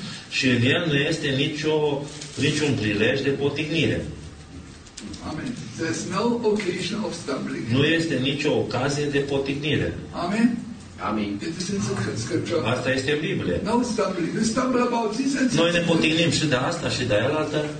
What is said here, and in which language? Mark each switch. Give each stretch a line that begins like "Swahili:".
Romanian: Și în el nu este niciun prilej de potignire. Amen.
English: There's no occasion of stumbling.
Romanian: Nu este nicio ocazie de potignire. Amen. Amen.
English: It is in Scripture.
Romanian: Asta este în Biblie.
English: No stumbling. We stumble about this and
Romanian: noi ne potignim și de asta și de aia altă.